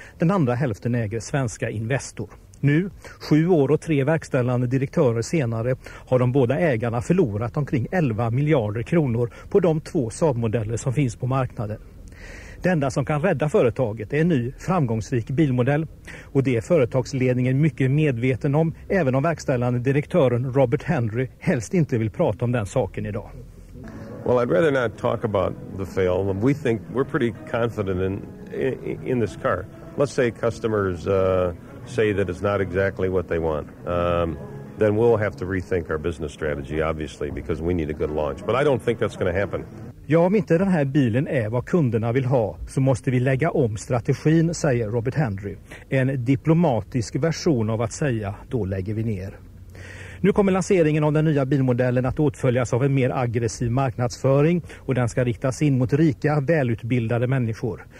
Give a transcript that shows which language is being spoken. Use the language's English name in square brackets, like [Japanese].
[Swedish] Den andra hälften äger svenska Investor. Nu, 7 år och 3 verkställande direktörer senare, har de båda ägarna förlorat omkring 11 miljarder kronor på de 2 Saab-modeller som finns på marknaden. Det enda som kan rädda företaget är en ny, framgångsrik bilmodell. Och det är företagsledningen mycket medveten om, även om verkställande direktören Robert Henry helst inte vill prata om den saken idag. [English] Well, I'd rather not talk about the fail. We think we're pretty confident in this car. Let's say customers say that it's not exactly what they want. Then we'll have to rethink our business strategy, obviously, because we need a good launch. But I don't think that's going to happen. [Swedish] Ja, om inte den här bilen är vad kunderna vill ha så måste vi lägga om strategin, säger Robert Henry. En diplomatisk version av att säga, då lägger vi ner. Nu kommer lanseringen av den nya bilmodellen att åtföljas av en mer aggressiv marknadsföring och den ska riktas in mot rika, välutbildade människor.